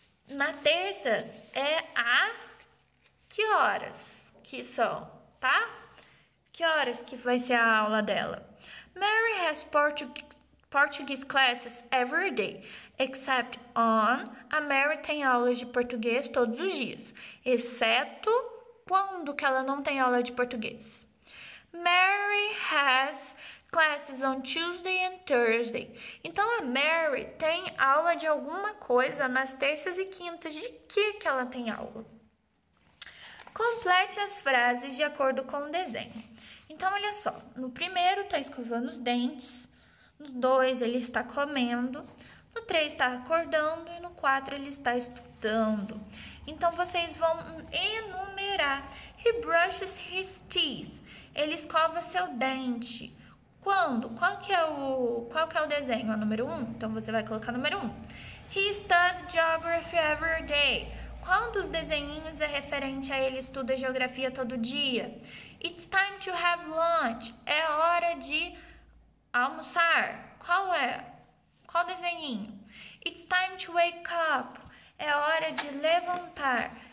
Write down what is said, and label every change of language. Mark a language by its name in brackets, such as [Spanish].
[Portuguese] Na terças é a que horas que são, tá? Que horas que vai ser a aula dela? [English] Mary has Portuguese classes every day, except on. [Portuguese] A Mary tem aulas de português todos os dias, exceto quando que ela não tem aula de português. [English] Mary has classes on Tuesday and Thursday. [Portuguese] Então a Mary tem aula de alguma coisa nas terças e quintas. De que ela tem aula? Complete as frases de acordo com o desenho. Então, olha só, no primeiro está escovando os dentes, no dois ele está comendo, no três está acordando e no quatro ele está estudando. Então, vocês vão enumerar. He brushes his teeth. [English] Ele escova seu dente. Quando? [Portuguese] Qual que é o desenho? É o número um? Então, você vai colocar número um. [English] He studies geography every day. [Portuguese] Qual dos desenhinhos é referente a ele estuda geografia todo dia? [English] It's time to have lunch. [Portuguese] É hora de almoçar. [English] Qual desenhinho? It's time to wake up. [Portuguese] É hora de levantar.